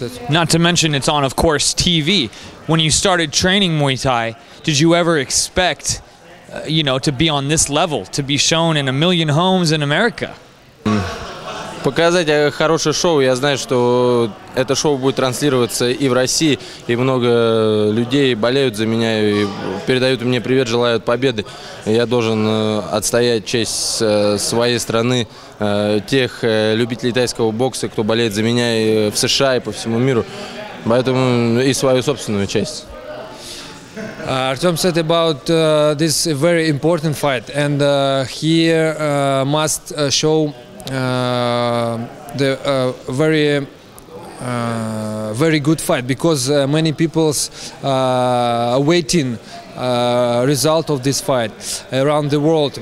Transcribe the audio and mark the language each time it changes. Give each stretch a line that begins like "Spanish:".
English: not to mention it's on, of course, TV. When you started training Muay Thai, did you ever expect, you know, to be on this level, to be shown in a million homes in America?
Russian: Показать хорошее шоу. Я знаю, что это шоу будет транслироваться и в России, и много людей болеют за меня и передают мне привет, желают победы. Я должен отстоять честь своей страны, тех любителей тайского бокса, кто болеет за меня и в США, и по всему миру. Поэтому и свою собственную честь.
English: Artem said about this very important fight, and he must show the very very good fight, because many people's waiting result of this fight around the world.